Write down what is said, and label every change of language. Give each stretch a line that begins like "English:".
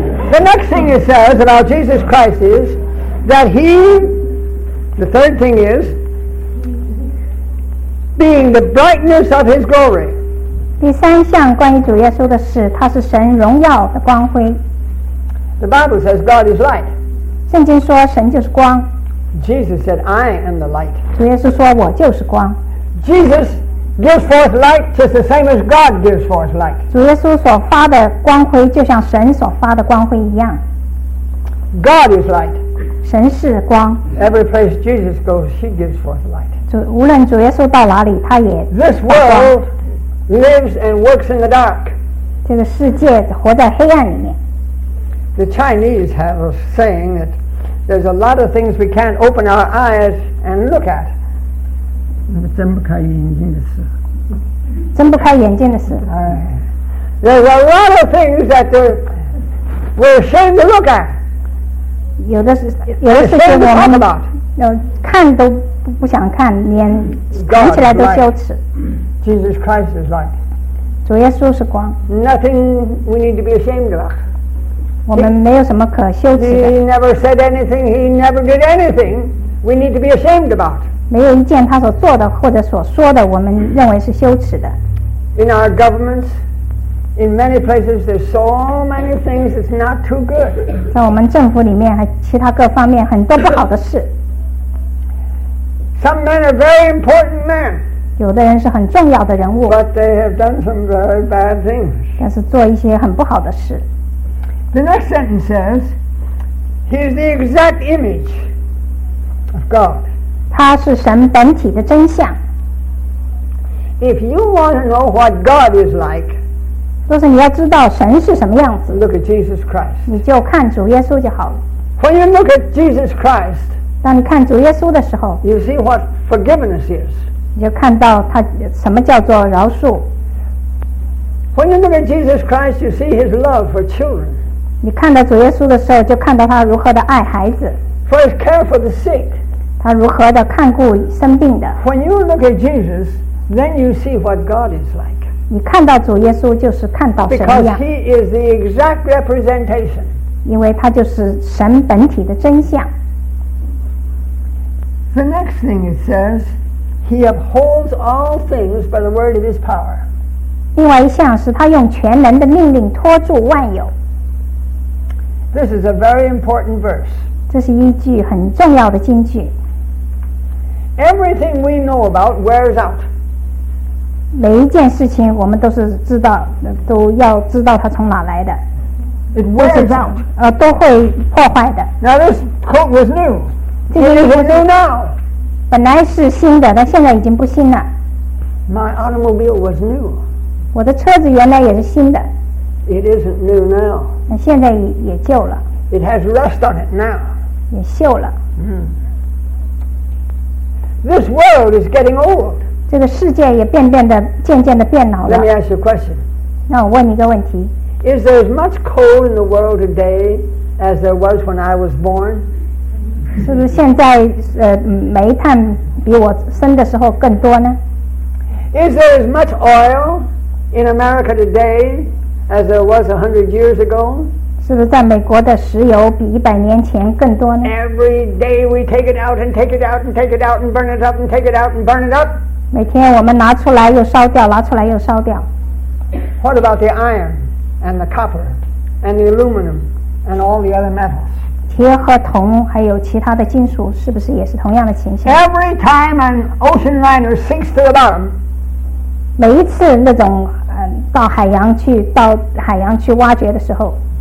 English: The next thing it says about Jesus Christ is that he, the third thing is, being the brightness of his glory.
Chinese: 第三项关于主耶稣的事，他是神荣耀的光辉。
English: The Bible says God is light.
Chinese: 圣经说神就是光。
English: Jesus said, I am the light.
Chinese: 主耶稣说我就是光。
English: Jesus gives forth light just the same as God gives forth light.
Chinese: 主耶稣所发的光辉就像神所发的光辉一样。
English: God is light.
Chinese: 神是光。
English: Every place Jesus goes, he gives forth light.
Chinese: 无论主耶稣到哪里，他也发光。
English: This world,lives and works in the dark.
Chinese: 这个世界活在黑暗里面。
English: The Chinese have a saying that there's a lot of things we can't open our eyes and look at.
Chinese: 那个睁不开眼睛的事。睁不开眼睛的事。
English: There's a lot of things that we're ashamed to look at.
Chinese: 有的事情我们看都不想看，连想起来都羞耻。
English: Jesus Christ is light.
Chinese: 主耶稣是光。
English: Nothing we need to be ashamed of.
Chinese: 我们没有什么可羞耻的。
English: He never said anything, he never did anything we need to be ashamed about.
Chinese: 没有一件他所做的或者所说的我们认为是羞耻的。
English: In our governments, in many places, there's so many things that's not too good.
Chinese: 在我们政府里面还其他各方面很多不好的事。
English: Some men are very important men.
Chinese: 有的人是很重要的人物，
English: But they have done some very bad things.
Chinese: 但是做一些很不好的事。
English: The next sentence says, "He is the exact image of God."
Chinese: 他是神本体的真相。
English: If you want to know what God is like,
Chinese: 若是你要知道神是什么样子，
English: look at Jesus Christ.
Chinese: 你就看主耶稣就好了。
English: When you look at Jesus Christ,
Chinese: 当你看主耶稣的时候，
English: you see what forgiveness is.
Chinese: 你就看到他什么叫做饶恕。
English: When you look at Jesus Christ, you see His love for children.
Chinese: 你看到主耶稣的时候，就看到他如何的爱孩子。
English: For His care for the sick.
Chinese: 他如何的看顾生病的。
English: When you look at Jesus, then you see what God is like.
Chinese: 你看到主耶稣就是看到神样。
English: Because he is the exact representation.
Chinese: 因为他就是神本体的真相。
English: The next thing it says, he upholds all things by the word of his power.
Chinese: 另外一项是他用全能的命令托住万有。
English: This is a very important verse.
Chinese: 这是一句很重要的经句。
English: Everything we know about wears out.
Chinese: 每一件事情我们都是知道，都要知道它从哪来的。
English: It wears out.
Chinese: 都会破坏的。
English: Now this coat was new. It is new now.
Chinese: 本来是新的，但现在已经不新了。
English: My automobile was new.
Chinese: 我的车子原来也是新的。
English: It isn't new now.
Chinese: 那现在也旧了。
English: It has rust on it now.
Chinese: 也锈了。嗯。
English: This world is getting old.
Chinese: 这个世界也渐渐的变老了。
English: Let me ask you a question.
Chinese: 那我问你一个问题。
English: Is there as much coal in the world today as there was when I was born?
Chinese: 是不是现在煤炭比我生的时候更多呢？
English: Is there as much oil in America today as there was 100 years ago?
Chinese: 是不是在美国的石油比一百年前更多呢？
English: Every day we take it out and take it out and take it out and burn it up and take it out and burn it up.
Chinese: 每天我们拿出来又烧掉，拿出来又烧掉。
English: What about the iron and the copper and the aluminum and all the other metals?
Chinese: 铁和铜还有其他的金属，是不是也是同样的情形？
English: Every time an ocean liner sinks to the bottom,
Chinese: 每一次那种到海洋去挖掘的时候。